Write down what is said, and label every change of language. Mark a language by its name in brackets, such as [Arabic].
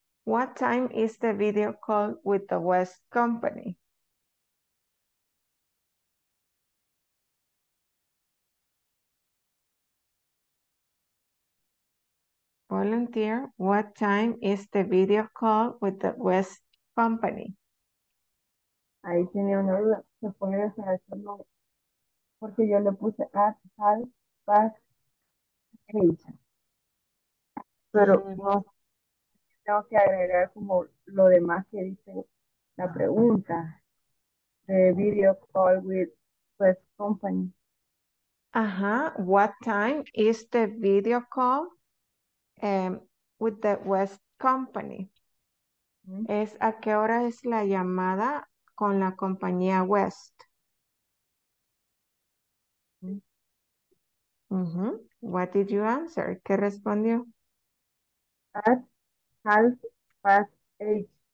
[English] What time is the video call with the West Company? Volunteer, what time is the video call with the West Company? [Spanish] Ahí tenía una duda, se puede saber su nombre, porque yo le puse [English] at half past eight. [Spanish] Pero no, tengo que agregar como lo demás que dice la pregunta de [English] video call with West Company. What time is the video call with the West Company? [Spanish] ¿Es a qué hora es la llamada con la compañía West? [English] What did you answer? [Spanish] ¿Qué respondió? [English] At half past eight.